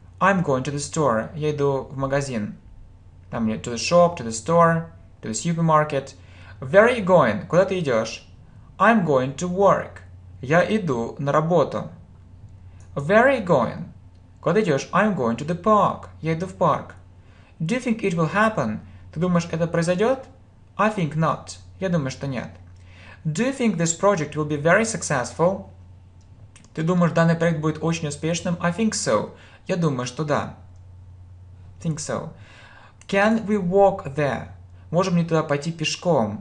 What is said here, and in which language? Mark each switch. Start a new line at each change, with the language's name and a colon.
English: I'm going to the store.
Russian: Я иду в магазин. Там мне
English: to the shop, to the store, to the supermarket. Where are you going?
Russian: Куда ты идешь?
English: I'm going to work.
Russian: Я иду на работу.
English: Where are you going?
Russian: Куда ты идешь?
English: I'm going to the park.
Russian: Я иду в парк.
English: Do you think it will happen?
Russian: Ты думаешь, это произойдет?
English: I think not.
Russian: Я думаю, что нет.
English: Do you think this project will be very successful?
Russian: Ты думаешь, данный проект будет очень успешным?
English: I think so.
Russian: Я думаю, что да.
English: Think so. Can we walk there?
Russian: Можем ли туда пойти пешком?